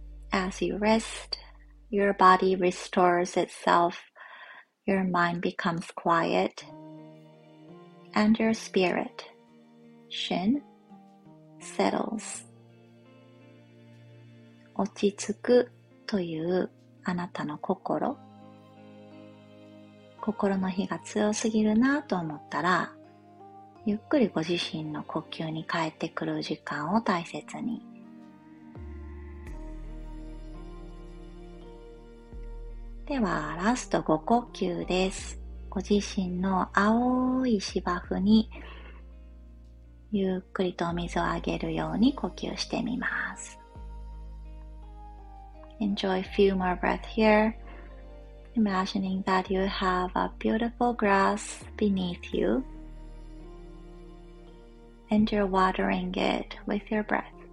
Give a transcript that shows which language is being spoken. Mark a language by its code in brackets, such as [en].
[en] As you rest, your body restores itself, your mind becomes quiet, and your spirit, Shin, settles. [ja] 落ち着くというあなたの心。心の火が強すぎるなと思ったら、ゆっくりご自身の呼吸に帰ってくる時間を大切に。ではラスト5呼吸です。ご自身の青い芝生にゆっくりとお水をあげるように呼吸してみます。 [en] Enjoy a few more breaths here, imagining that you have a beautiful grass beneath you and you're watering it with your breath.